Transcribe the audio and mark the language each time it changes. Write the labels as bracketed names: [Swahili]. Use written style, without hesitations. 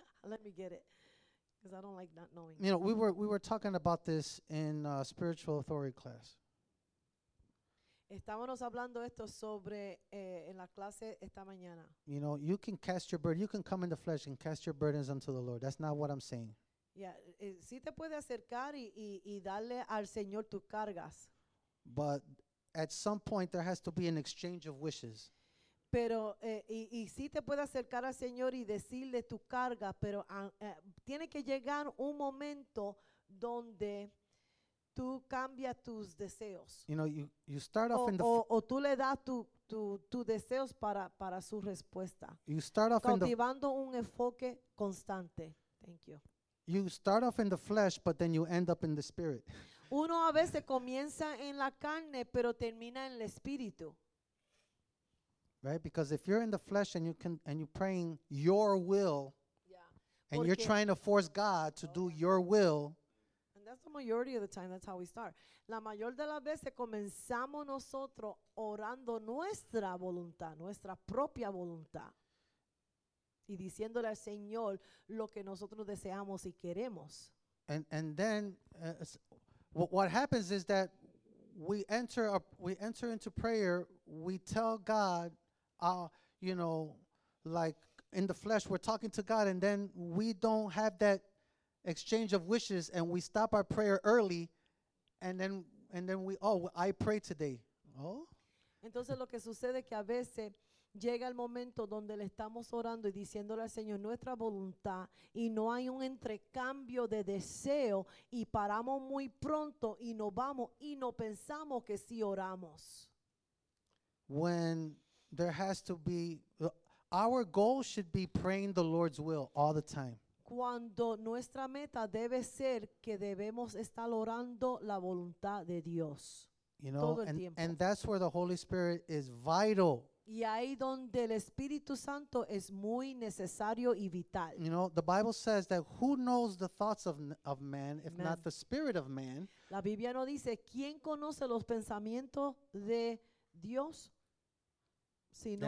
[English] Let me get it, because I don't like not knowing. You know, we were talking about this in spiritual authority class. [Spanish] Estábamos hablando esto sobre en la clase esta mañana. [English] You know, you can cast your burden. You can come in the flesh and cast your burdens unto the Lord. That's not what I'm saying. [Spanish] Yeah, sí te puedes acercar y darle al Señor tus cargas. [English] But at some point there has to be an exchange of wishes. [Spanish] Pero y sí te puedes acercar al Señor y decirle tu carga, pero tiene que llegar un momento donde tú cambia tus deseos. [English] You know, you start off in the [Spanish] o tú le das tu deseos para su respuesta. [English] You start off [Spanish] cultivando un enfoque constante. [English] Thank you. You start off in the flesh, but then you end up in the spirit. [Spanish] Uno a veces comienza en la carne, pero termina en el espíritu. [English] Right, because if you're in the flesh and you're praying your will, and you're trying to force God to do your will. That's the majority of the time. That's how we start. [Spanish] La mayor de las veces comenzamos nosotros orando nuestra voluntad, nuestra propia voluntad, y diciéndole al Señor lo que nosotros deseamos y queremos. [English] And then what happens is that we enter into prayer. We tell God, you know, like in the flesh, we're talking to God, and then we don't have that exchange of wishes, and we stop our prayer early, and then I pray today. Oh. [Spanish] Entonces lo que sucede es que a veces llega el momento donde le estamos orando y diciéndole al Señor nuestra voluntad y no hay un intercambio de deseo y paramos muy pronto y nos vamos y no pensamos que sí oramos. [English] When there has to be, our goal should be praying the Lord's will all the time. [Spanish] Cuando nuestra meta debe ser que debemos estar orando la voluntad de Dios, [English] you know, [Spanish] todo el tiempo. [English] And that's where the Holy Spirit is vital [Spanish] Y ahí donde el Espíritu Santo es muy necesario y vital. [English] You know, the Bible says that who knows the thoughts of man if not the Spirit of man. [Spanish] La Biblia no dice quién conoce los pensamientos de Dios, sino